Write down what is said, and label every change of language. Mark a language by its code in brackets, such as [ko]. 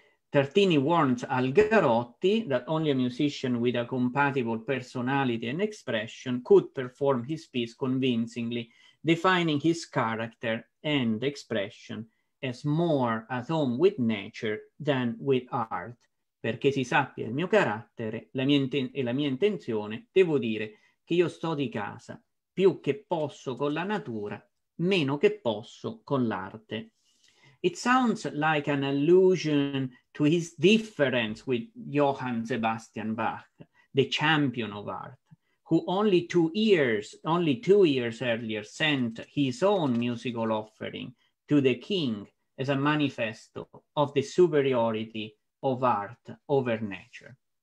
[en] Tartini warns Algarotti that only a musician with a compatible personality and expression could perform his piece convincingly, defining his character and expression as more at home with nature than with art. [it] Perché si sappia il mio carattere la mia intenzione, devo dire che io sto di casa più che posso con la natura, meno che posso con l'arte. [en] It sounds like an allusion to his difference with Johann Sebastian Bach, the champion of art, who only two years earlier sent his own musical offering to the king as a manifesto of the superiority of art over nature.